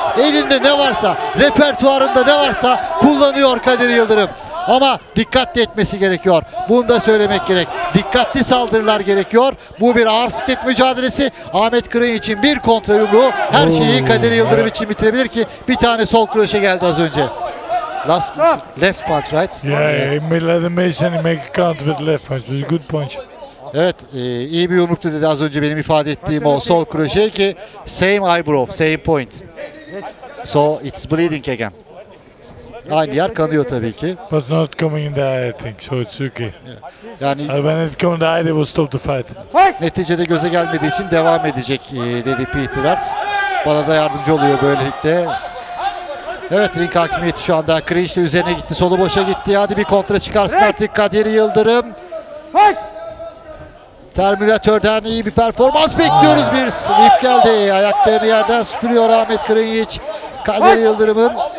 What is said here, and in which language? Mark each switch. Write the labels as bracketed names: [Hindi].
[Turkish] Elinde ne varsa, repertuarında ne varsa kullanıyor Kadir Yıldırım. Ama dikkatli etmesi gerekiyor. Bunu da söylemek gerek. Dikkatli saldırılar gerekiyor. Bu bir ağır sket mücadelesi. Ahmet Kırın için bir kontra yumruğu her şeyi Kadir Yıldırım için bitirebilir ki bir tane sol kroşe geldi az önce. [English] Last left punch, right? Yeah, Mason make a counter with left punch. It was a good punch. [Turkish] Evet, iyi bir yumruktu dedi az önce benim ifade ettiğim o sol kroşe ki [English] same eyebrow, same point. So it's bleeding again. [Turkish] Aynı yer kanıyor tabii ki. [English] But not coming in the eye, I think, so it's okay. Yani when it comes in the eye, they will stop the fight. [Turkish] Neticede göze gelmediği için devam edecek dedi Peter Arts. Bana da yardımcı oluyor böylelikle. Evet, ring hakimiyeti şu anda. Kırıyiç de üzerine gitti, solu boşa gitti. Hadi bir kontra çıkarsın artık Kadir Yıldırım. Terminatör'den iyi bir performans bekliyoruz bir. Sweep geldi, ayaklarını yerden süpürüyor Ahmet Kırıyiç. Kadir Yıldırım'ın.